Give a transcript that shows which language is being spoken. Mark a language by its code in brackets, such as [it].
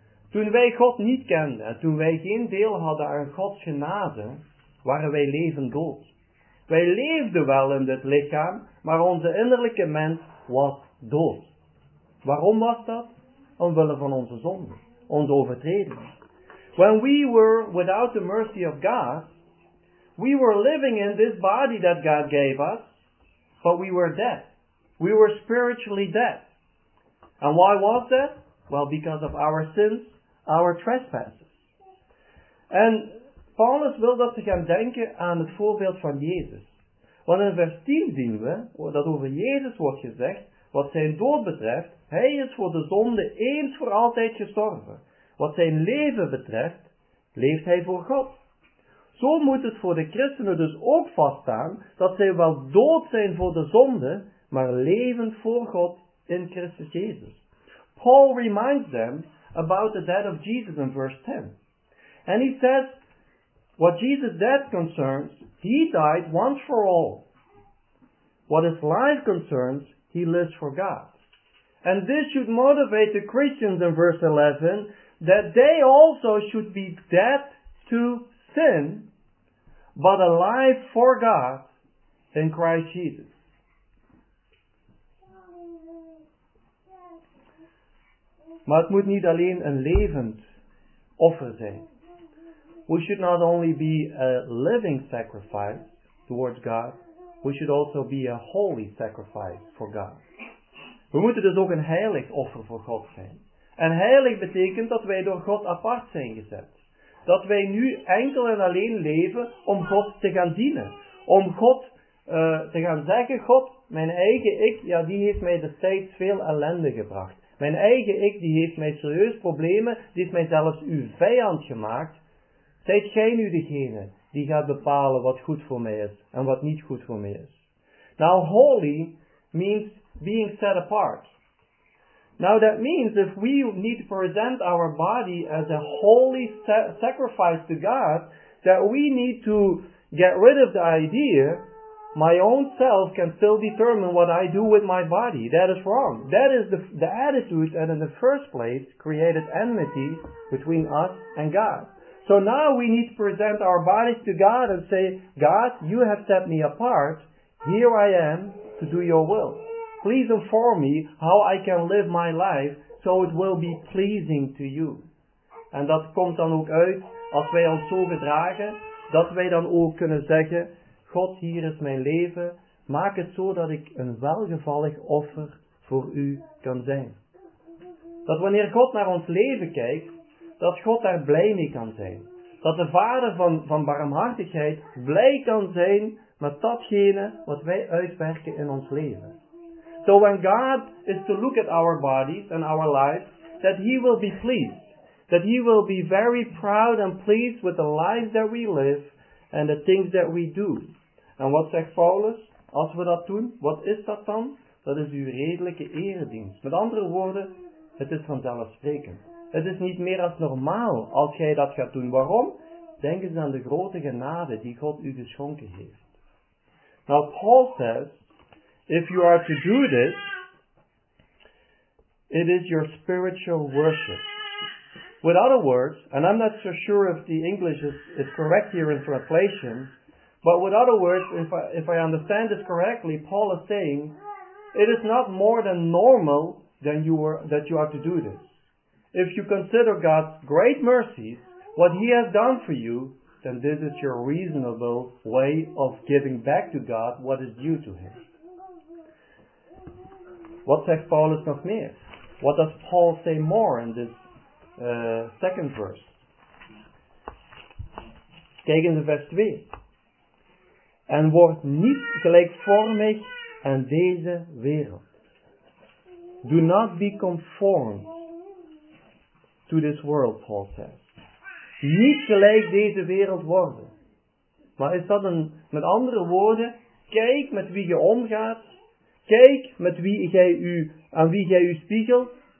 [nl] Toen wij God niet kenden, toen wij geen deel hadden aan Gods genade, waren wij levend dood. Wij leefden wel in dit lichaam, maar onze innerlijke mens was dood. Waarom was dat? Omwille van onze zonde, onze overtreding. [en] When we were without the mercy of God, we were living in this body that God gave us, but we were dead. We were spiritually dead. And why was that? Well, because of our sins, our trespasses. [nl] En Paulus wil dat ze gaan denken aan het voorbeeld van Jezus. Want in vers 10 zien we dat over Jezus wordt gezegd, wat zijn dood betreft, hij is voor de zonde eens voor altijd gestorven. Wat zijn leven betreft, leeft hij voor God. Zo moet het voor de christenen dus ook vaststaan dat zij wel dood zijn voor de zonde, maar levend voor God in Christus Jezus. [en] Paul reminds them about the death of Jesus in verse 10. And he says, what Jesus' death concerns, he died once for all. What his life concerns, he lives for God. And this should motivate the Christians in verse 11 that they also should be dead to sin, but alive for God in Christ Jesus. [nl] Maar het moet niet alleen een levend offer zijn. [en] We should not only be a living sacrifice towards God, we should also be a holy sacrifice for God. [nl] We moeten dus ook een heilig offer voor God zijn. En heilig betekent dat wij door God apart zijn gezet. Dat wij nu enkel en alleen leven om God te gaan dienen. Om God te gaan zeggen, God, mijn eigen ik, ja, die heeft mij destijds veel ellende gebracht. Mijn eigen ik, die heeft mij serieus problemen, die heeft mij zelfs uw vijand gemaakt. Zijt gij nu degene die gaat bepalen wat goed voor mij is en wat niet goed voor mij is. [en] Now, holy means being set apart. Now that means if we need to present our body as a holy sacrifice to God, that we need to get rid of the idea, my own self can still determine what I do with my body. That is wrong. That is the attitude that in the first place created enmity between us and God. So now we need to present our bodies to God and say, God, you have set me apart. Here I am to do your will. Please inform me how I can live my life so it will be pleasing to you. [nl] En dat komt dan ook uit, als wij ons zo gedragen, dat wij dan ook kunnen zeggen, God, hier is mijn leven, maak het zo dat ik een welgevallig offer voor u kan zijn. Dat wanneer God naar ons leven kijkt, dat God daar blij mee kan zijn. Dat de Vader van barmhartigheid blij kan zijn met datgene wat wij uitwerken in ons leven. [en] So when God is to look at our bodies and our lives, that he will be pleased. That he will be very proud and pleased with the life that we live and the things that we do. [nl] En wat zegt Paulus? Als we dat doen, wat is dat dan? Dat is uw redelijke eredienst. Met andere woorden, het is vanzelfsprekend. Het is niet meer als normaal als jij dat gaat doen. Waarom? Denk eens aan de grote genade die God u geschonken heeft. [en] Now Paul says, if you are to do this, it is your spiritual worship. With other words, and I'm not so sure if the English is correct here in translation, but with other words, if I understand this correctly, Paul is saying, it is not more than normal that you are to do this. If you consider God's great mercies, what he has done for you, then this is your reasonable way of giving back to God what is due to him. What says [nl] Paulus nog meer? [en] What does Paul say more in this second verse? [nl] Kijk in de vers 2. En word niet gelijkvormig aan deze wereld. [en] Do not be conformed to this world, Paul says. [nl] Niet gelijk deze wereld worden. Maar is dat een, met andere woorden, kijk met wie je omgaat. Kijk met wie jij u, aan wie jij u spiegelt.